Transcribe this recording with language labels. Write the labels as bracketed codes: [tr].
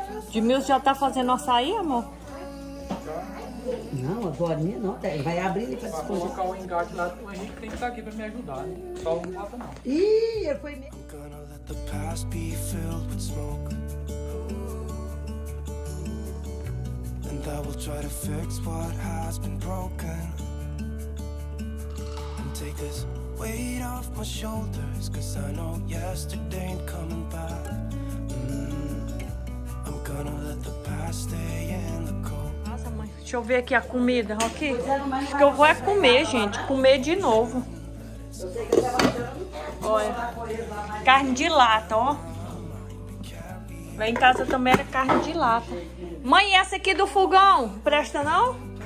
[pt] Dmilson já tá fazendo açaí, amor? Não, agora não. Vai abrir ali pra se colocar o engate lá. O Henrique tem que estar aqui pra me ajudar. Né? Só não mata não. Ih, ele foi mesmo. [en] I'm gonna let the past be filled with smoke. And I will try to fix what has been broken. And take this weight off my shoulders. Cause I know yesterday ain't coming back. I'm gonna let the past stay in the cold. [pt] Nossa, mãe. Deixa eu ver aqui a comida, ok? Acho que eu vou é comer, gente. Comer de novo. Olha. Carne de lata, ó. Lá em casa também era carne de lata. Mãe, essa aqui do fogão, presta não?